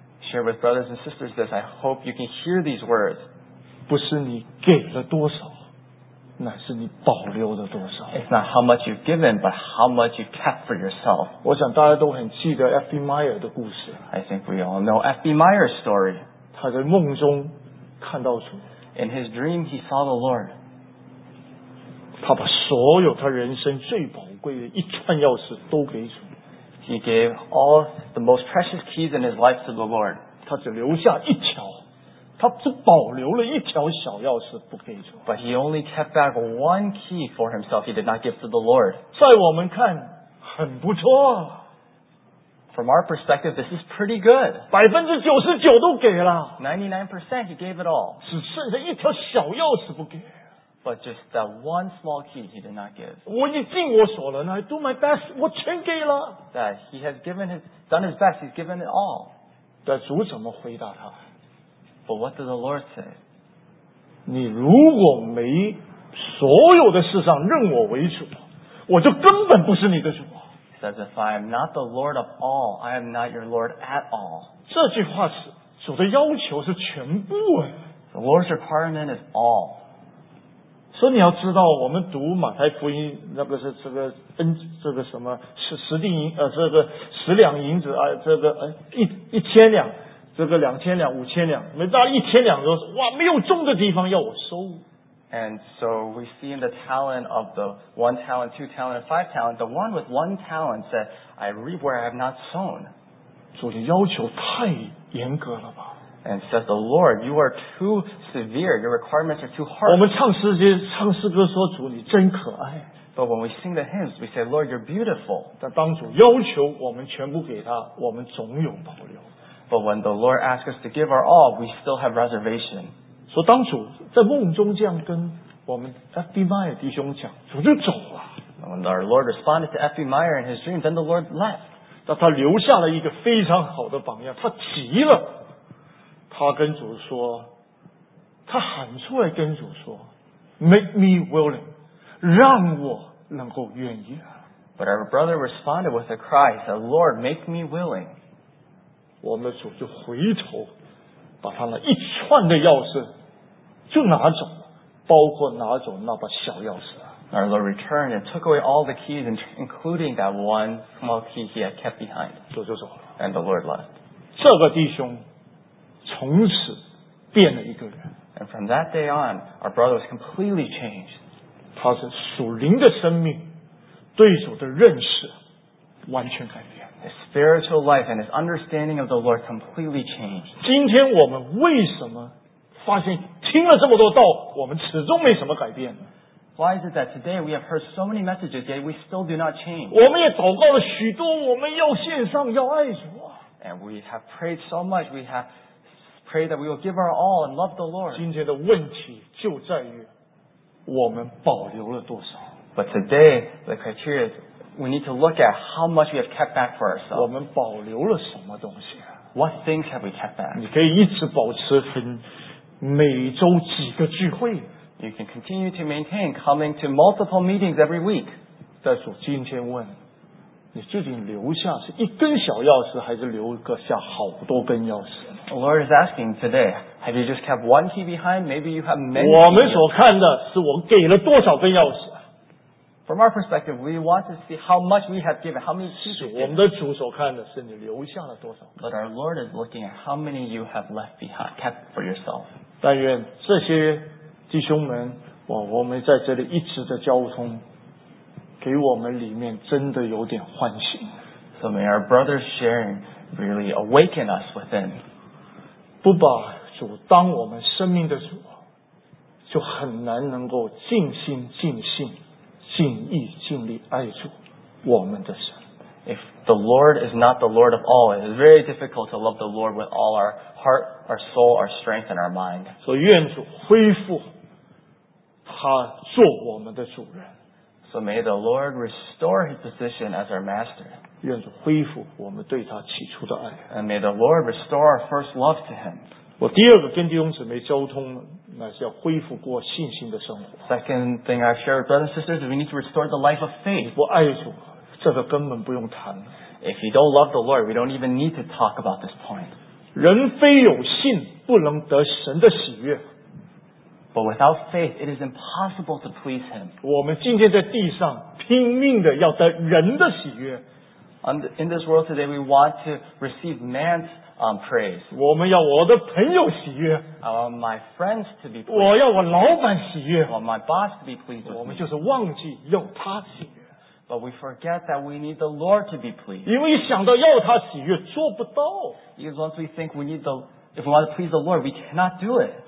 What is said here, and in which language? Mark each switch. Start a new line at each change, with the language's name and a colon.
English: Share with brothers and sisters this. I hope you can hear these words.
Chinese: 不是你给了多少，乃是你保留了多少。
English: It's not how much you've given, but how much you've kept for yourself.
Chinese: 我想大家都很记得 F.B. Meyer 的故事。
English: I think we all know F.B. Meyer's story.
Chinese: 他在梦中看到主。
English: In his dream, he saw the Lord.
Chinese: 他把所有他人生最宝贵的一串钥匙都给主。
English: He gave all the most precious keys in his life to the Lord.
Chinese: 他只留下一条。他只保留了一条小钥匙不给主。
English: But he only kept back one key for himself. He did not give to the Lord.
Chinese: 在我们看很不错。
English: From our perspective, this is pretty good.
Chinese: 99% 都给了。
English: 99% he gave it all.
Chinese: 只剩下一条小钥匙不给。
English: But just that one small key he did not give.
Chinese: 我已尽我所能了。
English: I do my best.
Chinese: 我全给了。
English: That he has given his, done his best. He's given it all.
Chinese: 但主怎么回答他？
English: But what does the Lord say?
Chinese: 你如果没所有的事上认我为主，我就根本不是你的主。
English: He says, if I am not the Lord of all, I am not your Lord at all.
Chinese: 这句话是主的要求是全部。
English: The Lord's requirement is all.
Chinese: 所以你要知道，我们读马太福音，那个是这个恩，这个什么十锭银，这个十两银子啊，这个一千两。这个两千两五千两每到一千两都哇没有中的地方要我收。
English: And so we see in the talent of the one talent, two talent, five talent, the one with one talent said, I reap where I have not sown.
Chinese: 主的要求太严格了吧。
English: And said the Lord, you are too severe, your requirements are too hard.
Chinese: 我们唱诗歌说主你真可爱。
English: But when we sing the hymns, we say, Lord, you're beautiful.
Chinese: 但当主要求我们全部给他我们总有保留。
English: But when the Lord asks us to give our all, we still have reservation.
Chinese: 说当主在梦中这样跟我们 F.B. Meyer 弟兄讲，主就走了。
English: When our Lord responded to F.B. Meyer in his dream, then the Lord left.
Chinese: 但他留下了一个非常好的榜样，他急了，他跟主说，他喊出来跟主说 ，
English: Make me willing,
Chinese: 让我能够愿意。
English: But our brother responded with a cry, said, Lord, make me willing.
Chinese: 我们的主就回头把他那一串的钥匙就拿走，包括拿走那把小钥匙。
English: Our Lord returned and took away all the keys, including that one small key he had kept behind.
Chinese: 走就走了。
English: And the Lord left.
Chinese: 这个弟兄从此变了一个人。
English: And from that day on, our brother was completely changed.
Chinese: 他是属灵的生命，对主的认识完全改变。
English: His spiritual life and his understanding of the Lord completely changed.
Chinese: 今天我们为什么发现听了这么多道，我们始终没什么改变呢？
English: Why is it that today we have heard so many messages, yet we still do not change?
Chinese: 我们也祷告了许多，我们要献上，要爱主啊。
English: And we have prayed so much, we have prayed that we will give our all and love the Lord.
Chinese: 今天的问题就在于我们保留了多少。
English: But today, the criteria is we need to look at how much we have kept back for ourselves.
Chinese: 我们保留了什么东西啊？
English: What things have we kept back?
Chinese: 你可以一直保持很每周几个聚会。
English: You can continue to maintain coming to multiple meetings every week.
Chinese: 但主今天问你，究竟留下是一根小钥匙，还是留个下好多根钥匙？
English: The Lord is asking today, have you just kept one key behind? Maybe you have many.
Chinese: 我们所看的是我给了多少根钥匙。
English: From our perspective, we want to see how much we have given, how many keys.
Chinese: 我们的主所看的是你留下了多少。
English: But our Lord is looking at how many you have left behind, kept for yourself.
Chinese: 但愿这些弟兄们，我们在这里一直的交通，给我们里面真的有点唤醒。
English: So may our brothers sharing really awaken us within.
Chinese: 不把主当我们生命的主，就很难能够尽心尽性尽意尽力爱主我们的神。
English: If the Lord is not the Lord of all, it is very difficult to love the Lord with all our heart, our soul, our strength, and our mind.
Chinese: So, 愿主恢复他做我们的主人。
English: So, may the Lord restore his position as our master.
Chinese: 愿主恢复我们对他起初的爱。
English: And may the Lord restore our first love to him.
Chinese: 我第二个跟弟兄姊妹交通，那是要恢复过信心的生活。
English: Second thing I've shared with brothers and sisters is we need to restore the life of faith.
Chinese: 我爱主。这个根本不用谈。
English: If you don't love the Lord, we don't even need to talk about this point.
Chinese: 人非有信，不能得神的喜悦。
English: But without faith, it is impossible to please Him.
Chinese: 我们今天在地上拼命的要得人的喜悦。
English: In this world today, we want to receive man's praise.
Chinese: 我们要我的朋友喜悦。
English: I want my friends to be pleased.
Chinese: 我要我老板喜悦。
English: I want my boss to be pleased with
Chinese: me. 我们就是忘记要他喜悦。
English: But we forget that we need the Lord to be pleased.
Chinese: 因为想到要他喜悦，做不到。
English: Because once we think we need the, if we want to please the Lord, we cannot do it.